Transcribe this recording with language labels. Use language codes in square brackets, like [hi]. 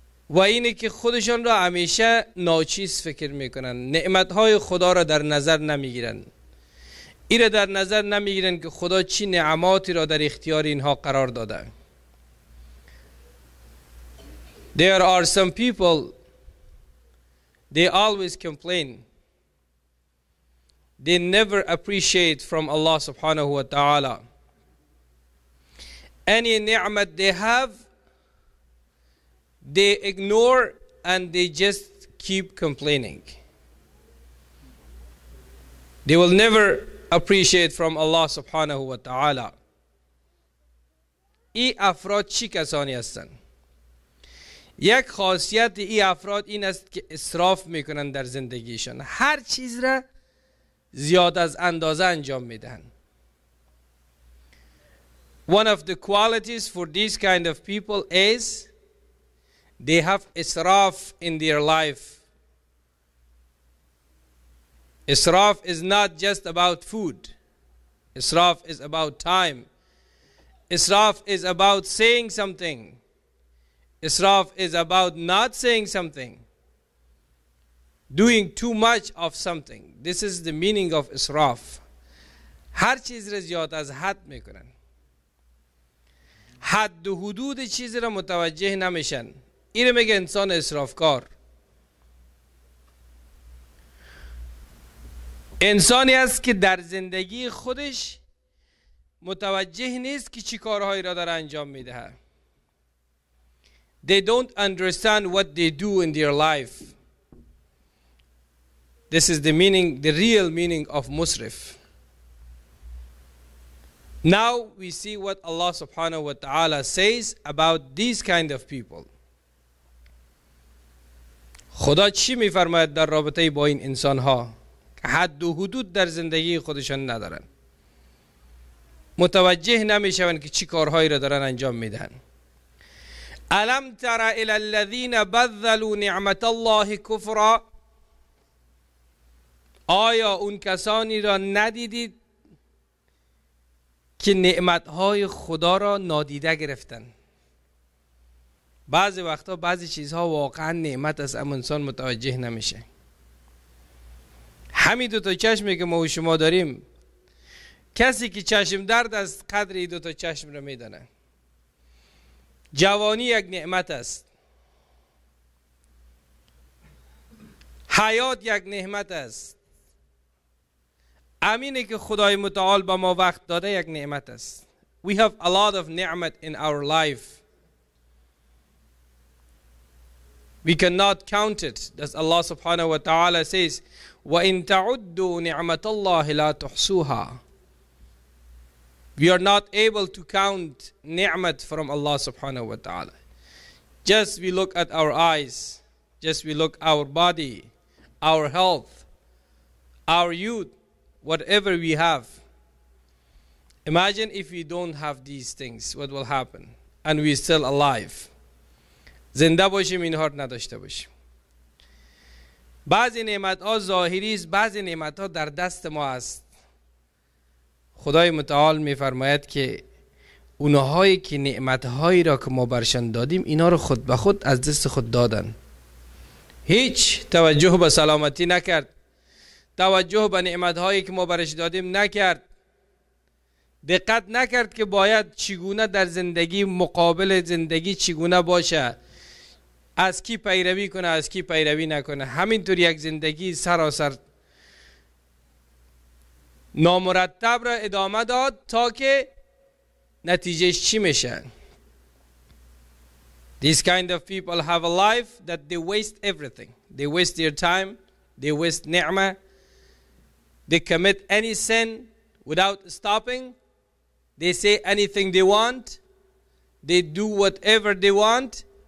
[fa] و اینه که خودشان را همیشه ناچیز فکر میکنن، نعمتهای خدا را در نظر نمیگیرن، این را در نظر نمیگیرن که خدا چی نعماتی را در اختیار اینها قرار داده. [en] There are some people, they always complain, they never appreciate from Allah subhanahu wa ta'ala any ni'mat they have. They ignore and they just keep complaining. They will never appreciate from Allah subhanahu wa ta'ala. [fa] ای افراد چی کسانی هستن؟ یک خاصیت ای افراد این است که اسراف میکنن در زندگیشان، هر چیز را زیاد از اندازه انجام میدن. [en] One of the qualities for these kind of people is they have israf in their life. Israf is not just about food. Israf is about time. Israf is about saying something. Israf is about not saying something. Doing too much of something. This is the meaning of israf. [fa] Har cheez ra ziyad az had mikunan. Hadd o hudood cheez ra mutawajjih namishan. این میگه انسان اسرافکار. انسانی است که در زندگی خودش متوجه نیست که چی کارهایی را داره انجام میده. [en] They don't understand what they do in their life. This is the meaning, the real meaning of musrif. Now we see what Allah subhanahu wa ta'ala says about these kind of people. [fa] خدا چی میفرماید در رابطه با این انسان ها؟ حد و حدود در زندگی خودشان ندارن، متوجه نمیشون که چی کارهایی را دارن انجام میدن. [ar] الم تر الی الذین بذلوا نعمت الله کفرا، [fa] آیا اون کسانی را ندیدید که نعمت های خدا را نادیده گرفتن؟ بعضی وقتا بعضی چیزها واقعا نعمت است اما انسان متوجه نمیشه. همین دو تا چشمی که ما و شما داریم، کسی که چشم درد است قدر این دو تا چشم را میدانه. جوانی یک نعمت است، حیات یک نعمت است، امینه که خدای متعال با ما وقت داده یک نعمت است. [en] We have a lot of نعمت in our life. We cannot count it. That's Allah subhanahu wa ta'ala says, [ar] وَإِن تَعُدُّوا نِعْمَةَ اللَّهِ لَا تُحْسُوهَا. [en] We are not able to count ni'mat from Allah subhanahu wa ta'ala. Just we look at our eyes, just we look our body, our health, our youth, whatever we have. Imagine if we don't have these things, what will happen? And we're still alive. [fa] زنده باشیم این هر نداشته باشیم. بعضی نعمت ها ظاهری است، بعضی نعمت ها در دست ما است. خدای متعال می فرماید که اونهایی که نعمت هایی را که ما برشان دادیم، اینا را خود به خود از دست خود دادن، هیچ توجه به سلامتی نکرد، توجه به نعمت هایی که ما برش دادیم نکرد، دقت نکرد که باید چگونه در زندگی مقابل زندگی چگونه باشه، از کی پیروی کنه از کی پیروی نکنه. همینطور یک زندگی سراسر نامرتب را ادامه داد تا که نتیجهش چی میشه. [en] These kind of people have a life that they waste everything. They waste their time, they waste ni'mah, they commit any sin without stopping, they say anything they want, they do whatever they want.